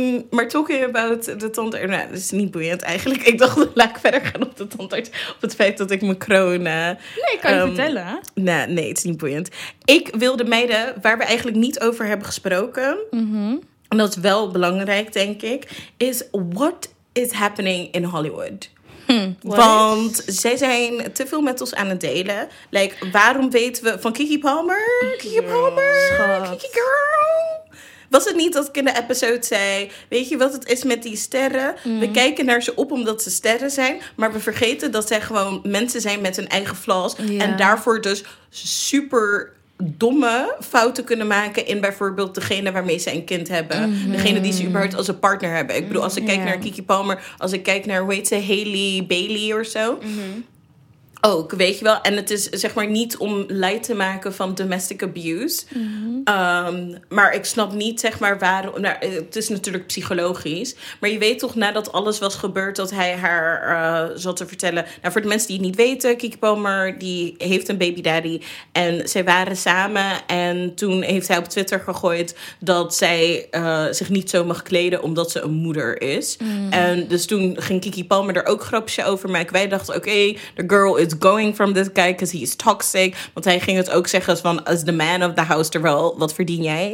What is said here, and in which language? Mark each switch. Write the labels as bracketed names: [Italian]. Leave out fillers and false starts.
[Dutch] maar [English] talking about [Dutch] de tandarts. Nou, dat is niet boeiend eigenlijk. Ik dacht, laat ik verder gaan op de tandarts. Op het feit dat ik mijn kroon... Nee, ik kan je vertellen. Nee, het is niet boeiend. Ik wil de meiden, waar we eigenlijk niet over hebben gesproken... Mm-hmm. En dat is wel belangrijk, denk ik... [English] is what is happening in Hollywood... [Dutch] Want zij zijn te veel met ons aan het delen. Like, waarom weten we van Keke Palmer? Keke Palmer? Schat. Keke Girl? Was het niet dat ik in de episode zei... Weet je wat het is met die sterren? Mm. We kijken naar ze op omdat ze sterren zijn. Maar we vergeten dat zij gewoon mensen zijn met hun eigen flaws. [English] Yeah. [Dutch] En daarvoor dus super... domme fouten kunnen maken in bijvoorbeeld degene waarmee ze een kind hebben. Mm-hmm. Degene die ze überhaupt als een partner hebben. Ik bedoel, als ik kijk naar Keke Palmer, als ik kijk naar, hoe heet ze, Hailey Bailey of zo. Mm-hmm. Ook, weet je wel. En het is zeg maar niet om light te maken van domestic abuse. Mm-hmm. Maar ik snap niet zeg maar waarom... Nou, het is natuurlijk psychologisch. Maar je weet toch, nadat alles was gebeurd, dat hij haar zat te vertellen... Nou, voor de mensen die het niet weten, Keke Palmer, die heeft een baby daddy. En zij waren samen. En toen heeft hij op Twitter gegooid dat zij zich niet zo mag kleden omdat ze een moeder is. Mm-hmm. En dus toen ging Keke Palmer er ook grapjes over maken. Wij dachten, oké, [English] the girl is going from this guy because he is toxic. [Dutch] Want hij ging het ook zeggen van [English] as the man of the house, [Dutch] terwijl, wat verdien jij?